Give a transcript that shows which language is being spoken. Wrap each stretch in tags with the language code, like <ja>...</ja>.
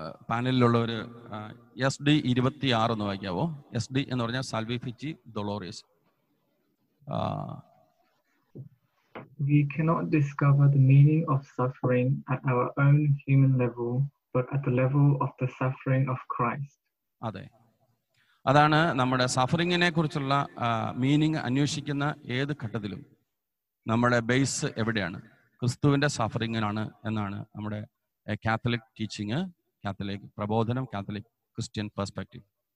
<ml>പാനലിലുള്ളവർ SD 26 എന്ന് വായിക്കാവോ? SD എന്ന് പറഞ്ഞാൽ സാൽവിഫിച്ചി ഡൊളോറീസ്.</ml> <en>We cannot discover the meaning of suffering at our own human level, but at the level of the suffering of Christ.</en> <ml>അതെ, അതാണ് നമ്മുടെ സഫറിങ്ങിനെ കുറിച്ചുള്ള meaning അന്വേഷിക്കുന്ന ഏത് ഘട്ടത്തിലും നമ്മുടെ ബേസ് എവിടെയാണ്? ക്രിസ്തുവിന്റെ സഫറിങ്ങിനാണ് എന്നാണ് നമ്മുടെ കാത്തലിക് ടീച്ചിങ്, കാത്തലിക് പ്രബോധനം, കാത്തലിക് ക്രിസ്ത്യൻ പെർസ്പെക്റ്റീവ്.</ml>